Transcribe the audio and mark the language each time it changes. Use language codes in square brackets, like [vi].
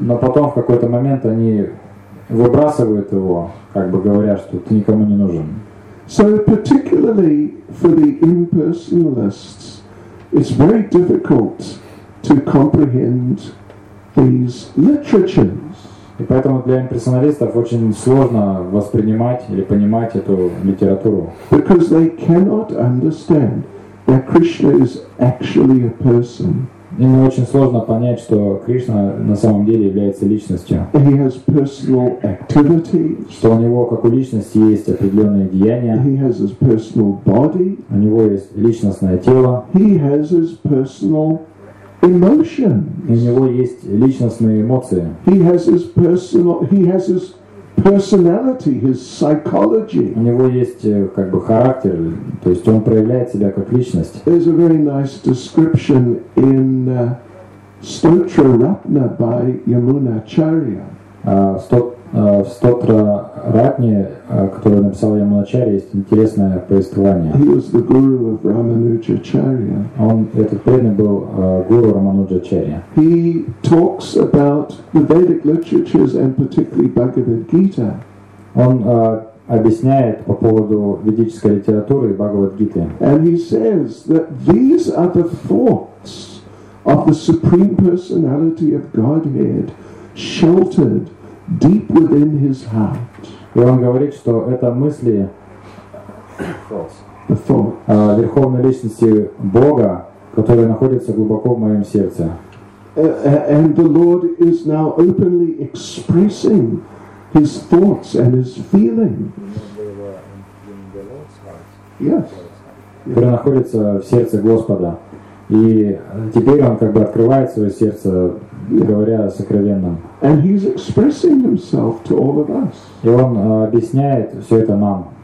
[ru] Но потом в какой-то момент они выбрасывают его, как бы говоря, что ты никому не нужен. [en] So particularly for the impersonalists, it's very difficult to comprehend these literatures. [ru] И поэтому для имперсоналистов очень сложно воспринимать или понимать эту литературу. [en] Because they cannot understand that Krishna is actually a person. [ru] Им очень сложно понять, что Кришна на самом деле является личностью. [en] He has personal activities. [ru] Что у него как у личности есть определенные деяния. [en] He has his personal body. [ru] У него есть личностное тело. [en] He has his personal emotions. [ru] У него есть личностные эмоции. [en] He has his personal, he has his personality, his psychology. [ru] У него есть как бы характер, то есть он проявляет себя как личность. [en] There's a very nice description in Stotra Ratna by Yamunacharya. [ru] Stotra Ratna, которую написал Ямуначарья, есть интересное повествование. [en] He was the guru of Рамануджачарья. [ru] Он, этот преданный, был гуру Рамануджачарья. [en] He talks about the Vedic literatures and particularly Bhagavad Gita. [ru] Он объясняет по поводу ведической литературы и Бхагавад Гиты. [en] And he says that these are the thoughts of the Supreme Personality of Godhead sheltered deep within his heart. [ru] И он говорит, что это мысли Верховной Личности Бога, которые находятся глубоко в моем сердце. [en] And the Lord is now openly expressing his thoughts and his feelings. Yes. [ru] Которые находятся в сердце Господа. И теперь он как бы открывает свое сердце, говоря о сокровенном. [en] And he's expressing himself to all of us. [ru] И он объясняет все это нам.